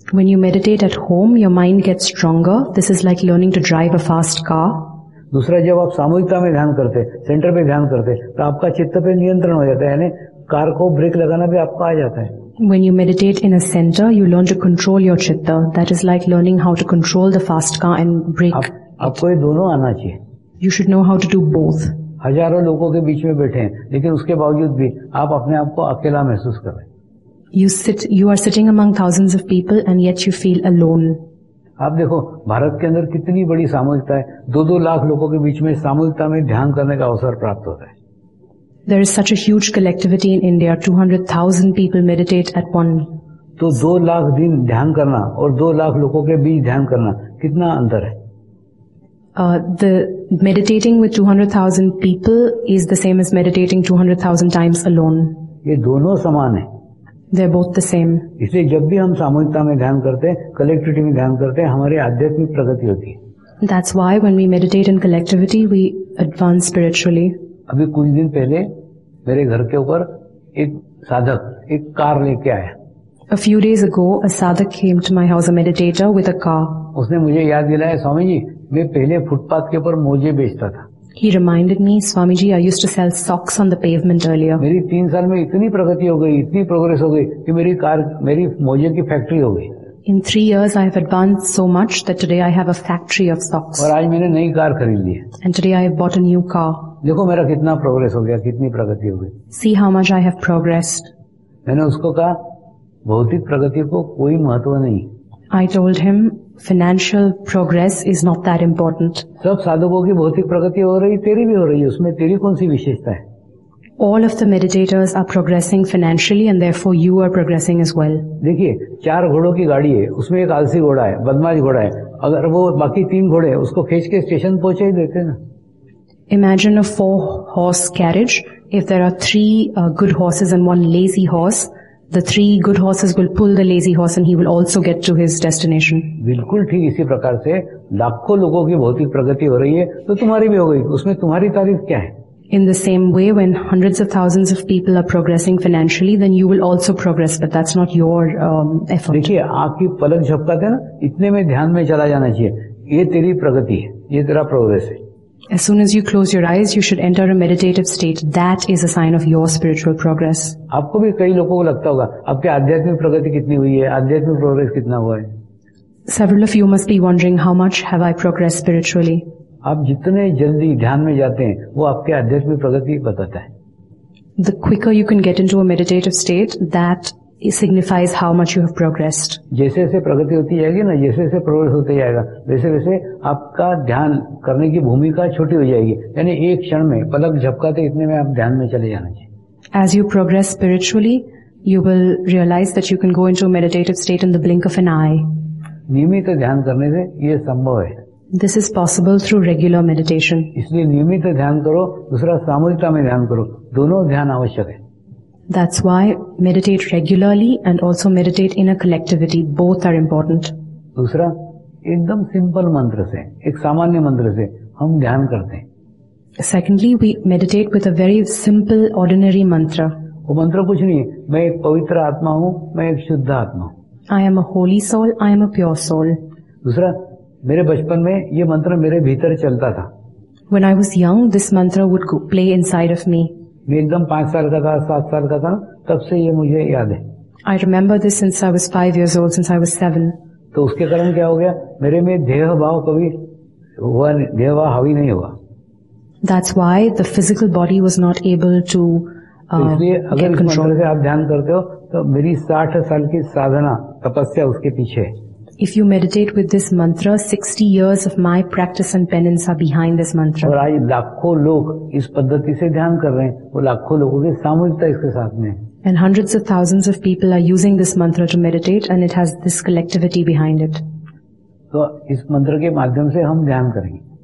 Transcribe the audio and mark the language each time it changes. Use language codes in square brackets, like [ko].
[en] When you meditate at home, your mind gets stronger. This is like learning to drive a fast car. [hi] दूसरा, जब आप सामूहिकता में ध्यान करते, सेंटर पे ध्यान करते, तो आपका चित्त पे नियंत्रण हो जाता है, यानी कार को ब्रेक लगाना भी आपका आ जाता है. [en] When you meditate in a center, you learn to control your chitta. That is like learning how to control the fast car and brake. [hi] आपको ये दोनों आना चाहिए. [en] You should know how to do both. [hi] हजारों लोगों के बीच में बैठे हैं, लेकिन उसके बावजूद भी आप अपने आप को अकेला महसूस कर रहे हैं. [en] You are sitting among thousands of people and yet you feel alone. [hi] आप देखो, भारत के अंदर कितनी बड़ी सामूहिकता है, 2-2 लाख लोगों के बीच में सामूहिकता में ध्यान करने का अवसर प्राप्त होता है. [en] There is such a huge collectivity in India, 200,000 people meditate at one. [hi] तो 2 लाख दिन ध्यान करना और 2 लाख लोगों के बीच ध्यान करना कितना अंतर है? [en] The meditating with 200,000 people is the same as meditating 200,000 times alone. [hi] ये दोनों समान है. [en] They're both the same. [hi] इसलिए जब भी हम सामूहिकता में ध्यान करते हैं, कलेक्टिविटी में ध्यान करते हैं, हमारी आध्यात्मिक प्रगति होती है. [en] That's why when we meditate in collectivity, we advance spiritually. [hi] अभी कुछ दिन पहले मेरे घर के ऊपर एक साधक एक कार लेके आया. [en] A few days ago, a sadhak came to my house, a meditator, with a car. [hi] उसने मुझे याद दिलाया, स्वामी जी, मैं पहले फुटपाथ के ऊपर मोजे बेचता था. [en] He reminded me, Swami ji, I used to sell socks on the pavement earlier. [hi] मेरी 3 साल में इतनी प्रगति हो गई, इतनी प्रोग्रेस हो गई कि मेरी कार, मेरी मोजे की फैक्ट्री हो गई. [en] In 3 years, I have advanced so much that today I have a factory of socks. [hi] और आज मैंने नई कार खरीद ली. [en] And today I have bought a new car. [hi] देखो मेरा कितना प्रोग्रेस हो गया, कितनी प्रगति हो गई. [en] See how much I have progressed. [hi] मैंने उसको कहा, भौतिक प्रगति को कोई महत्व नहीं. [en] I told him, financial progress is not that important. [hi] सब साधकों की भौतिक प्रगति हो रही, तेरी भी हो रही है, उसमें तेरी कौन सी विशेषता है? [en] All of the meditators are progressing financially and therefore you are progressing as well. [hi] देखिए, 4 घोड़ों की गाड़ी है, उसमें एक आलसी घोड़ा है, बदमाश घोड़ा है. अगर वो बाकी 3 घोड़े हैं, उसको खींच के स्टेशन पहुंचा ही देते ना. [en] Imagine a 4-horse carriage. If there are 3 good horses and 1 lazy horse, the 3 good horses will pull the lazy horse and he will also get to his destination. [hi] बिल्कुल ठीक इसी प्रकार से लाखों लोगों की भौतिक प्रगति हो रही है, तो तुम्हारी भी हो गई, उसमें तुम्हारी तारीफ क्या है? [en] In the same way, when hundreds of thousands of people are progressing financially, then you will also progress, but that's not your effort. [hi] देखिए, आपकी पलक झपकाते ना, इतने में ध्यान में चला जाना चाहिए. ये तेरी प्रगति है, ये तेरा प्रोग्रेस है. [en] As soon as you close your eyes, you should enter a meditative state. That is a sign of your spiritual progress. [hi] आपको भी कई लोगों को लगता होगा, आपकी आध्यात्मिक प्रगति कितनी हुई है, आध्यात्मिक प्रोग्रेस कितना हुआ है? [en] Several of you must be wondering, how much have I progressed spiritually? [hi] आप जितने जल्दी ध्यान में जाते हैं, वो आपके आध्यात्मिक प्रगति बताता है. [en] The quicker you can get into a meditative state, that signifies how much you have progressed. [hi] जैसे जैसे प्रगति होती जाएगी ना, जैसे जैसे प्रोग्रेस होते जाएगा, वैसे वैसे आपका ध्यान करने की भूमिका छोटी हो जाएगी. यानी एक क्षण में पलक झपकाते इतने में आप ध्यान में चले जाना चाहिए. [en] As you progress spiritually, you will realize that you can go into a meditative state in the blink of an eye. [hi] नियमित ध्यान करने से ये संभव है. [en] This is possible through regular meditation. [hi] इसलिए नियमित ध्यान करो, दूसरा सामूहिकता में ध्यान करो, दोनों ध्यान आवश्यक है. [en] That's why meditate regularly and also meditate in a collectivity. Both are important. [hi] दूसरा, एकदम सिंपल मंत्र से, एक सामान्य मंत्र से हम ध्यान करते हैं. [en] Secondly, we meditate with a very simple, ordinary mantra. [hi] वो मंत्र कुछ नहीं है, मैं एक पवित्र आत्मा हूँ, मैं एक शुद्ध आत्मा हूँ. [en] I am a holy soul, I am a pure soul. [hi] दूसरा, मेरे बचपन में ये मंत्र मेरे भीतर चलता था. [en] When I was young, this mantra would play inside of me. [hi] मैं एकदम 5 साल का था, 7 साल का था, तब से ये मुझे याद है. [en] I remember this since I was 5 years old, since I was 7. [hi] तो उसके कारण क्या हो गया? मेरे में देह भाव कभी हुआ, देह भाव हावी नहीं हुआ. [en] That's why the physical body was not able to get control. [hi] अगर मंत्र से आप ध्यान करते हो, तो मेरी 60 साल की साधना तपस्या उसके पीछे. [en] If you meditate with this mantra, 60 years of my practice and penance are behind this mantra. [hi] और आज लाखों लोग इस पद्धति से ध्यान कर रहे हैं, वो लाखों लोगों की सामूहिकता इसके साथ में. [en] And hundreds of thousands of people are using this mantra to meditate, and it has this collectivity behind it. [hi] तो इस मंत्र के माध्यम से हम ध्यान करेंगे.